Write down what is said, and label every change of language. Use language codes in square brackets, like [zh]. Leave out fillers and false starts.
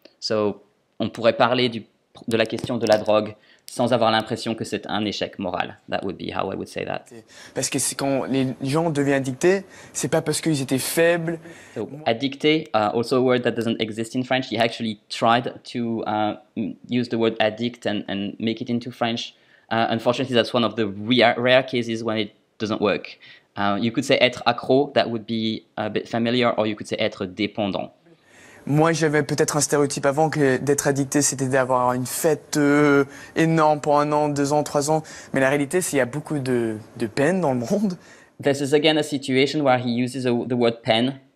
[fr] So on pourrait parler de la question de la drogue sans avoir l'impression que c'est un échec moral. [en] That would be how I would say that. [fr] Parce que c'est quand les gens deviennent addictés, c'est pas parce qu'ils étaient faibles. [en] So, addicté, also a word that doesn't exist in French. He actually tried to use the word addict and make it into French. Unfortunately, that's one of the rare cases when it doesn't work. You could say être accro, that would be a bit familiar, or you could say être dépendant. [fr] Moi, j'avais peut-être un stéréotype avant que d'être addicté, c'était d'avoir une fête énorme pour 1 an, 2 ans, 3 ans. Mais la réalité, c'est qu'il y a beaucoup de peine dans le monde. [en] This is again a situation where he uses the word peine.